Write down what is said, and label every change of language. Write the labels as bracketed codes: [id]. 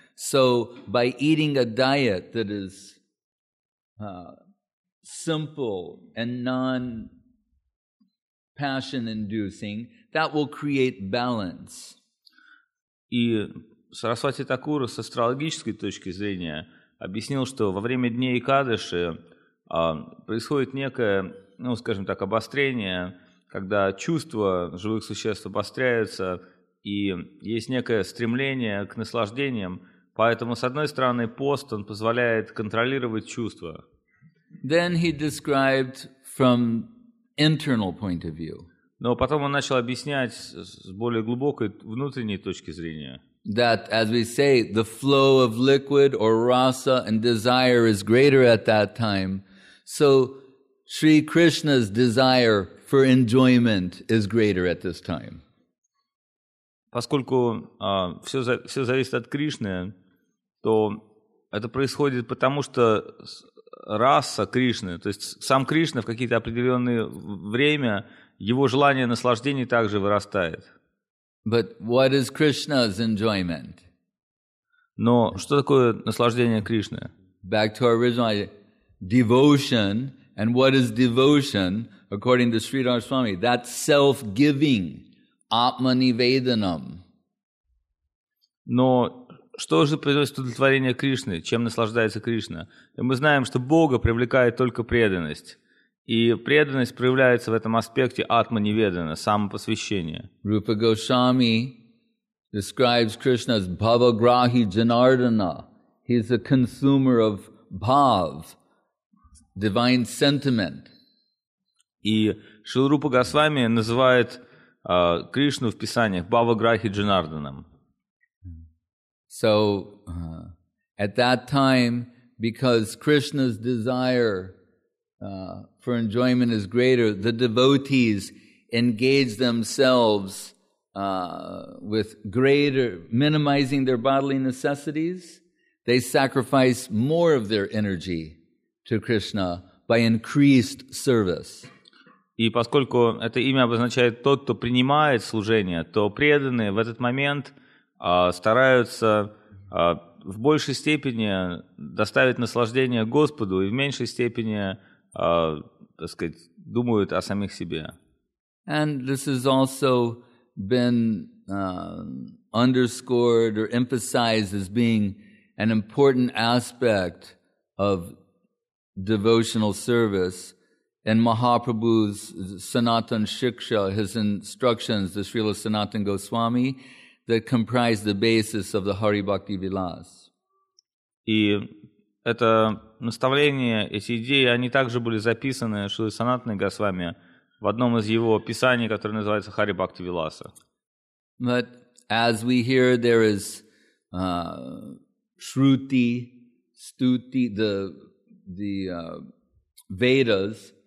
[en] So by eating a diet that is simple and non-passion inducing, that will create balance. [ru] И Сарасвати Такура с астрологической точки зрения объяснил, что во время дней Экадаши происходит некое, ну скажем так, обострение, когда чувства живых существ обостряются, и есть некое стремление к наслаждениям, поэтому, с одной стороны, пост, он позволяет контролировать чувства. [en] Then he described from internal point of view. [ru] Но потом он начал объяснять с более глубокой внутренней точки зрения. [en] That, as we say, the flow of liquid or rasa and desire is greater at that time. So, Sri Krishna's desire for enjoyment is greater at this time. [ru] Поскольку все зависит от Кришны, то это происходит потому, что раса Кришны, то есть сам Кришна в какие-то определенные время, его желание наслаждений также вырастает. [en] But what is Krishna's enjoyment? [ru] Но что такое наслаждение Кришны? [en] Back to our original idea. Devotion, and what is devotion, according to Sridhar Swami, that's self-giving. [sa] Атма-ниведанам. [ru] Но что же приносит удовлетворение Кришны? Чем наслаждается Кришна? Мы знаем, что Бога привлекает только преданность. И преданность проявляется в этом аспекте атма-ниведана, самопосвящения. [en] Рупа Гошами describes Krishna as Bhavagrahi Janardana. He's a consumer of bhav, divine sentiment. [ru] И Шрила Рупа Гошами называет Кришну в писаниях Бхавграхи Джанарданам. [en] So, at that time, because Krishna's desire for enjoyment is greater, the devotees engage themselves with greater, minimizing their bodily necessities. They sacrifice more of their energy to Krishna by increased service. [ru] И поскольку это имя обозначает тот, кто принимает служение, то преданные в этот момент стараются в большей степени доставить наслаждение Господу и в меньшей степени, так сказать, думают о самих себе. [en] And this has also been underscored or emphasized as being an important aspect of devotional service. And Mahaprabhu's Sanatan Shiksha, his instructions, the Srila Sanatan Goswami, that comprise the basis of the Hari Bhakti Vilas. [ru] И это наставление, эти идеи, они также были записаны Шрилой Санатаной Госвами в одном из его писаний, которое называется [en] Hari Bhakti Vilasa. But as we hear, there is Shruti, Stuti, the Vedas.